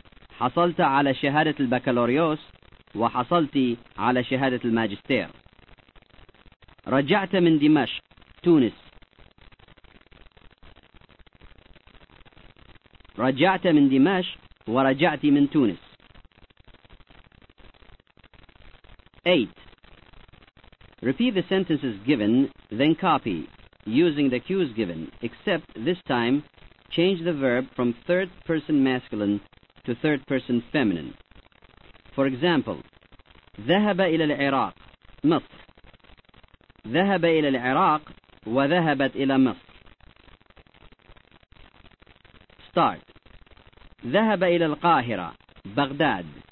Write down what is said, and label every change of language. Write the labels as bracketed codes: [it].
[ar] حصلت على شهادة البكالوريوس وحصلت على شهادة الماجستير. رجعت من دمشق تونس. رجعت من دمشق ورجعت من تونس. [en] 8. Repeat the sentences given, then copy, using the cues given, except this time change the verb from third person masculine to third person feminine. For example, [ar] ذهب إلى العراق مصر. ذهب إلى العراق وذهبت إلى مصر. [en] Start. [ar] ذهب إلى القاهرة بغداد.